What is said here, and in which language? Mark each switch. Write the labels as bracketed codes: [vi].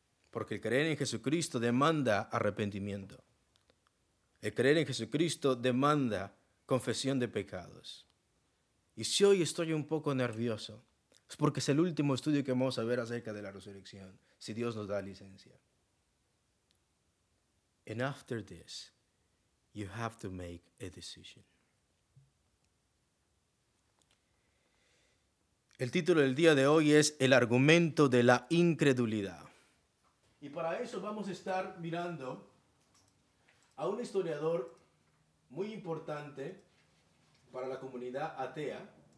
[es] Porque el creer en Jesucristo demanda arrepentimiento. El creer en Jesucristo demanda confesión de pecados. Y si hoy estoy un poco nervioso, es porque es el último estudio que vamos a ver acerca de la resurrección, si Dios nos da licencia. [en] And after this, you have to make a decision. [es] El título del día de hoy es El argumento de la incredulidad. Y para eso vamos a estar mirando a un historiador muy importante para la comunidad atea.